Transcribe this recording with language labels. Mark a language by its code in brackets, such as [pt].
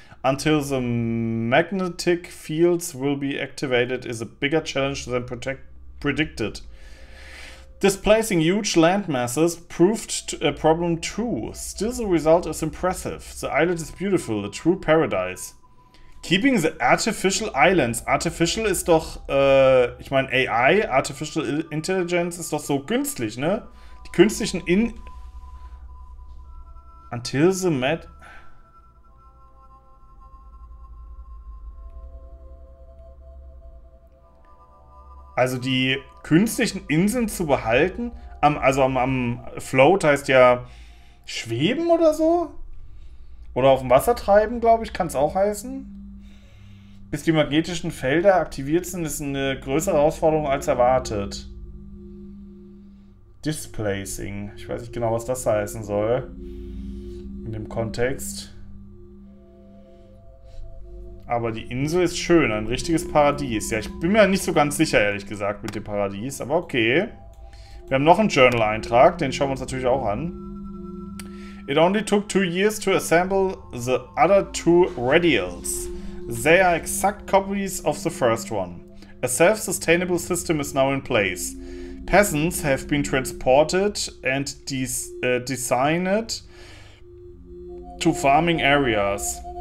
[en] Until the magnetic fields will be activated is a bigger challenge than predicted. Displacing huge land masses proved a problem too. Still the result is impressive. The island is beautiful, a true paradise. Keeping the artificial islands. [de] Artificial ist doch, ich meine AI, Artificial Intelligence ist doch so künstlich, ne? Die künstlichen in... Until the Met... Also die künstlichen Inseln zu behalten, am Float heißt ja schweben oder so? Oder auf dem Wasser treiben, glaube ich, kann es auch heißen. Bis die magnetischen Felder aktiviert sind, ist eine größere Herausforderung als erwartet. Displacing. Ich weiß nicht genau, was das heißen soll. In dem Kontext. Aber die Insel ist schön, ein richtiges Paradies. Ja, ich bin mir nicht so ganz sicher, ehrlich gesagt, mit dem Paradies, aber okay. Wir haben noch einen Journal-Eintrag, den schauen wir uns natürlich auch an. [en] It only took 2 years to assemble the other 2 radials. They are exact copies of the first one. A self-sustainable system is now in place. Peasants have been transported and designed to farming areas.